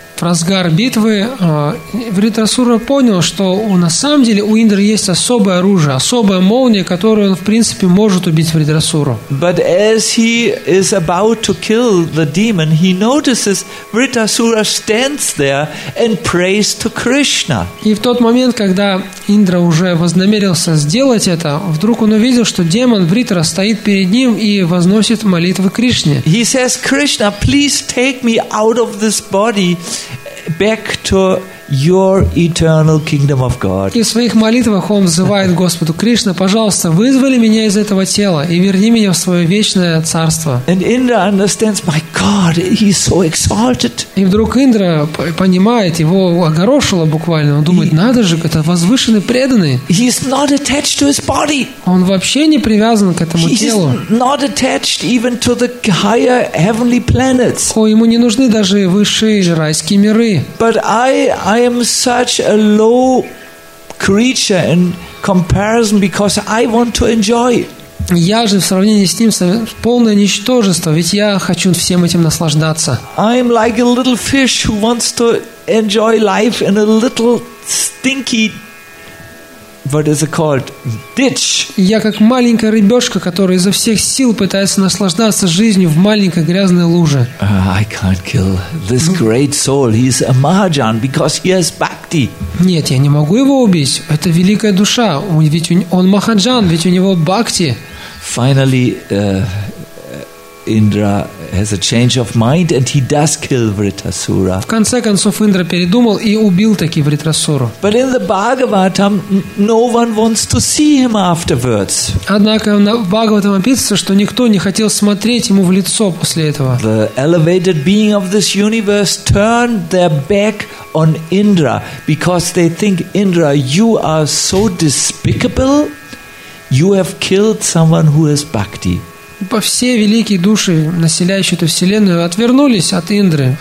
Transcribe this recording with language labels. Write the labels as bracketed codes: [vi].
[ru] В разгар битвы Вритрасура понял, что на самом деле у Индры есть особое оружие, особая молния, которую он, в принципе, может убить Вритрасуру. [en] But as he is about to kill the demon, he notices Vritrasura stands there and prays to Krishna. [ru] И в тот момент, когда Индра уже вознамерился сделать это, вдруг он увидел, что демон Вритра стоит перед ним и возносит молитвы Кришне. [en] He says, Krishna, please take me out of this body back to your eternal kingdom of God. [ru] И в своих молитвах он взывает Господу: Кришна, пожалуйста, вызволи меня из этого тела и верни меня в свое вечное царство. [en] And Indra understands, my God, he's so exalted. [ru] И вдруг Индра понимает, его огорошило буквально, он думает, надо же, это возвышенный преданный. [en] He's not attached to his body. [ru] Он вообще не привязан к этому телу. [en] He's not attached even to the higher heavenly planets. [ru] Ему не нужны даже высшие или райские миры. [en] But I am such a low creature in comparison because I want to enjoy. [ru] Я же в сравнении с ним полное ничтожество, ведь я хочу всем этим наслаждаться. [en] I am like a little fish who wants to enjoy life in a little stinky, what is it called, ditch. [ru] Я как маленькая рыбешка, которая изо всех сил пытается наслаждаться жизнью в маленькой грязной луже. [en] I can't kill this great soul. He's a mahajan because he has bhakti. [ru] Нет, я не могу его убить. Это великая душа. Ведь он махаджан, ведь у него бхакти. [en] Finally, Indra has a change of mind and he does kill Vritrasura. [ru] В конце концов Индра передумал и убил таки Вритрасуру. [en] But in the Bhagavatam no one wants to see him afterwards. [ru] Однако в Бхагаватам описывается, что никто не хотел смотреть ему в лицо после этого. [en] The elevated being of this universe turned their back on Indra because they think, Indra, you are so despicable. You have killed someone who has bhakti. [ru] Все великие души, населяющие эту вселенную, отвернулись от Индры.